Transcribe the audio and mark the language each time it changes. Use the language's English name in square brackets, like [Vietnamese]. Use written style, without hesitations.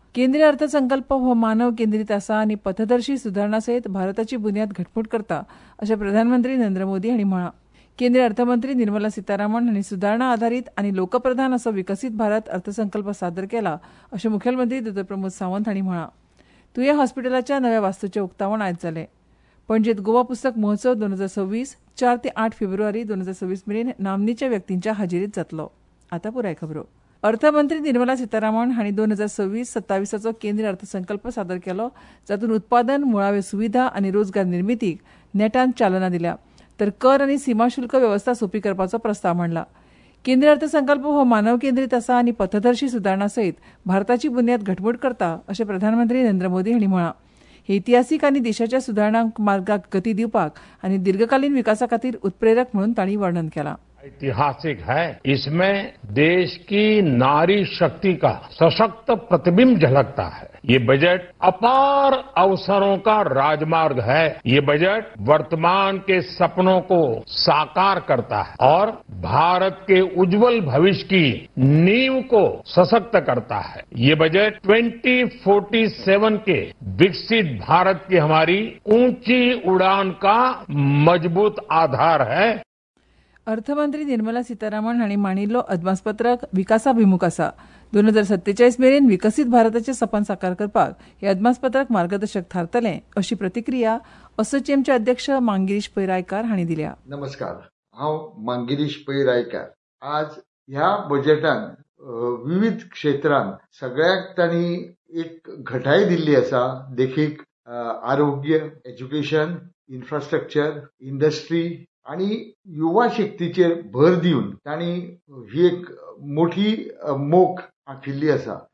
[Goan Konkani] केंद्रीय अर्थसंकल्प हो मानव केंद्रीत आसा आनी पथदर्शी सुधारणा सयत भारताची बुन्याद घटमूट करता अशें प्रधानमंत्री नरेंद्र मोदी हांणी म्हळां. केंद्रीय अर्थमंत्री निर्मला सितारामन हांणी सुधारणा आधारीत आनी लोकप्रधान असो विकसीत भारत अर्थसंकल्प सादर केला अशें मुखेलमंत्री दोतर प्रमोद सावंत हांणी म्हळां. तुये हॉस्पिटलाच्या नव्या वास्तूचें उक्तावण आयज जालें. पणजेंत गोवा पुस्तक महोत्सव 2026 4-8 फेब्रुवारी 2026 मेरेन नामनेच्या व्यक्तींच्या हाजेरीत जातलो. आता पुराय खबरो. अर्थमंत्री निर्मला सितारामन हांणी 2026-27 केंद्रीय अर्थसंकल्प सादर केलो, जातूंत उत्पादन, मुळावे सुविधा आनी रोजगार निर्मितीक नेटान चालना दिल्या, तर कर आनी सीमाशुल्क व्यवस्था सोपी करपाचो प्रस्ताव मांडला. केंद्रीय अर्थसंकल्प हो मानव केंद्रीत आसा आनी पथदर्शी सुधारणा सयत भारताची बुन्याद घटमूट करता अशें प्रधानमंत्री नरेंद्र मोदी हांणी म्हळां. हे इतिहासीक आनी देशाच्या सुधारणांक मार्गाक गती दिवपाक आनी दीर्घकालीन विकासा खातीर उत्प्रेरक म्हणून तांणी वर्णन केला. [Hindi] ऐतिहासिक है, इसमें देश की नारी शक्ति का सशक्त प्रतिबिंब झलकता है. ये बजट अपार अवसरों का राजमार्ग है. ये बजट वर्तमान के सपनों को साकार करता है और भारत के उज्जवल भविष्य की नींव को सशक्त करता है. ये बजट 2047 के विकसित भारत की हमारी ऊंची उड़ान का मजबूत आधार है. [Goan Konkani] अर्थमंत्री निर्मला सितारामन हांणी मांडिल्लो अदमासपत्रक विकासाभिमुख आसा. 2047 मेरेन विकसीत भारताचें सपन साकार करपाक हे अदमासपत्रक मार्गदर्शक थारतले अशी प्रतिक्रिया असोचेमचे अध्यक्ष मांगिरीश पैरायकार हांणी दिल्या. नमस्कार, हांव मांगिरीश पैरायकार. आज ह्या बजेटान विविध क्षेत्रांत सगळ्यांक तांणी एक घटाय दिल्ली आसा. देखीक आरोग्य, एज्युकेशन, इन्फ्रास्ट्रक्चर, इंडस्ट्री आणि युवा शक्तीचेर भर दिवन तांणी ही एक मोठी मोख आखिल्ली आसा.